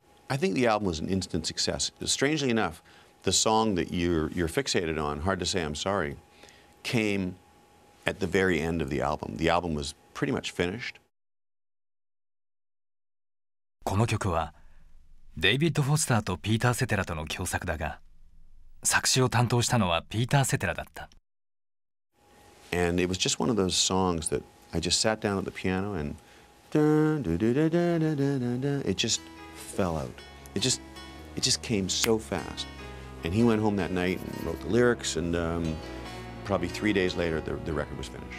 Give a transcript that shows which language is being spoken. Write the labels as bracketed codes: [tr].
[en] I think the album was an instant success. Strangely enough, the song that you're fixated on, Hard to Say I'm Sorry, came at the very end of the album. The album was pretty much finished. [ja] この曲はデイビッド・フォスターとピーター・セテラとの共作だが、作詞を担当したのはピーター・セテラだった。 [en] And it was just one of those songs that I just sat down at the piano and da-da-da-da-da-da-da-da-da. It just fell out. It just came so fast. And he went home that night and wrote the lyrics, and probably 3 days later the record was finished.